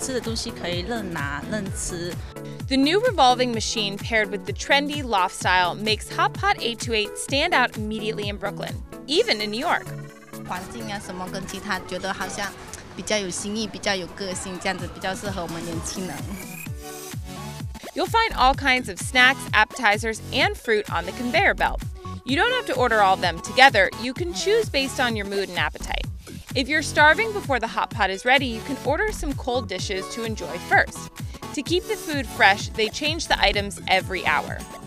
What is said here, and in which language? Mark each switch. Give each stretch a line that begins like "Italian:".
Chinese: 比较有特色吧，像它这种旋转的，这个转台没有其他家的，所以我们想过来看一下。觉得好像挺喜欢嘛，这个氛围。我们差不多两周都会过来吃一次。我很喜欢他们这家店，就我觉得它比较吸引旋转，自己喜欢吃的东西可以任拿任吃。
English: The new revolving machine paired with the trendy loft style makes HOTPOT 828 stand out immediately in Brooklyn, even in New York.
Chinese: 环境啊什么跟其他觉得好像比较有新意，比较有个性，这样子比较适合我们年轻人。
English: You'll find all kinds of snacks, appetizers, and fruit on the conveyor belt. You don't have to order all of them together. You can choose based on your mood and appetite. If you're starving before the hot pot is ready, you can order some cold dishes to enjoy first. To keep the food fresh, they change the items every hour.